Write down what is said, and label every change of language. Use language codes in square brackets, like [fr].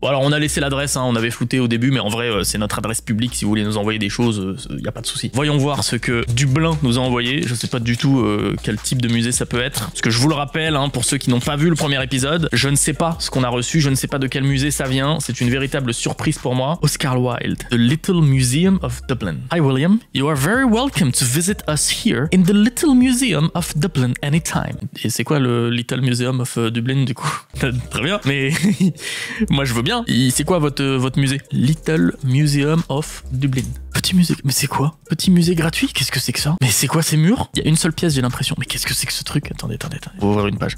[fr] Bon, alors on a laissé l'adresse, hein, on avait flouté au début, mais en vrai, c'est notre adresse publique. Si vous voulez nous envoyer des choses, y a pas de souci. Voyons voir ce que Dublin nous a envoyé. Je sais pas du tout quel type de musée ça peut être. Parce que je vous le rappelle, hein, pour ceux qui n'ont pas vu le premier épisode, je ne sais pas ce qu'on a reçu, je ne sais pas de quel musée ça vient. C'est une véritable surprise pour moi. Oscar Wilde, The Little Museum of Dublin. [en] Hi William, you are very welcome to visit us here in the Little Museum of Dublin. Anytime. [fr] Et c'est quoi le Little Museum of Dublin du coup? Très bien, mais moi je veux bien. C'est quoi votre musée? Little Museum of Dublin. Petit musée, mais c'est quoi? Petit musée gratuit? Qu'est-ce que c'est que ça? Mais c'est quoi ces murs? Il y a une seule pièce, j'ai l'impression. Mais qu'est-ce que c'est que ce truc? Attendez. Faut ouvrir une page.